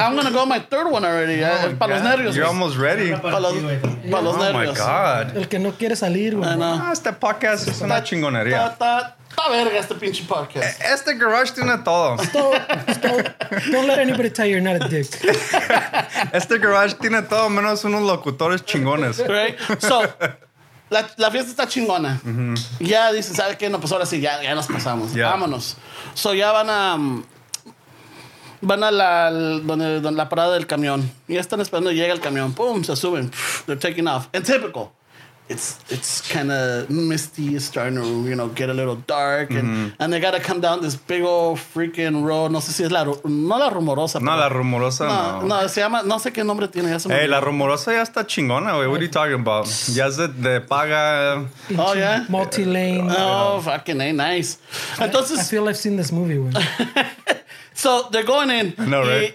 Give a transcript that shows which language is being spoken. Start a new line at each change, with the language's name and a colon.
English: I'm going to go on my third one already.
Spanish: Oh, para los nervios.
English: You're almost ready.
Spanish: Para los nervios.
English: Oh, my God.
Spanish: El que no quiere salir, güey. Este podcast es una chingonería. Verga, este pinche podcast. Este garage tiene todo.
English: Stop. Don't let anybody tell you you're not a dick.
Spanish: Este garage tiene todo menos unos locutores chingones.
English: Right? So,
Spanish: la fiesta está chingona. Mm-hmm. Ya dice, ¿sabes qué? No, pues ahora sí, ya nos pasamos.
English: Yeah.
Spanish: Vámonos. So, ya van a... van a la parada del camión. Ya están esperando, llega el camión. Pum, se suben.
English: They're taking off. And typical. It's kind of misty. It's starting to, you know, get a little dark. And and they got to come down this big old freaking road.
Spanish: No sé si es la... No la rumorosa. No, la rumorosa, no. No, se llama... No sé qué nombre tiene. Ya se hey, la rumorosa ya está chingona, güey.
English: What are you talking about?
Spanish: Ya es de paga...
English: Oh, yeah? Multi-lane. Oh, fucking hey, nice. Entonces, I feel I've seen this movie, güey. So, they're going in. No, right?